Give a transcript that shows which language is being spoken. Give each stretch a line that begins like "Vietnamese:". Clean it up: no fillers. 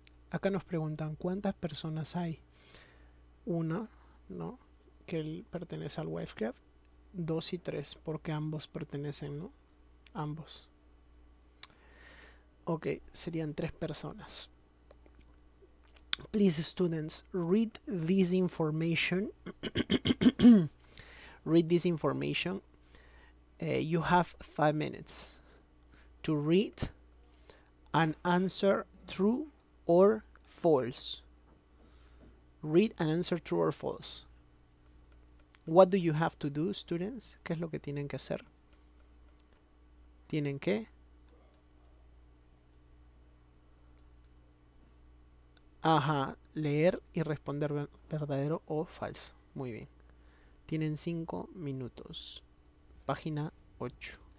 Spanish: Acá nos preguntan cuántas personas hay. Una, ¿no? Que él pertenece al Wifecraft. Dos y tres, porque ambos pertenecen, ¿no? Ambos. Ok, serían tres personas.
English: Please, students, read this information. Read this information. You have 5 minutes to read and answer. True or false? Read and answer true or false. What do you have to do, students?
Spanish: ¿Qué es lo que tienen que hacer? Tienen que leer y responder verdadero o falso. Muy bien. Tienen 5 minutos. Página 8.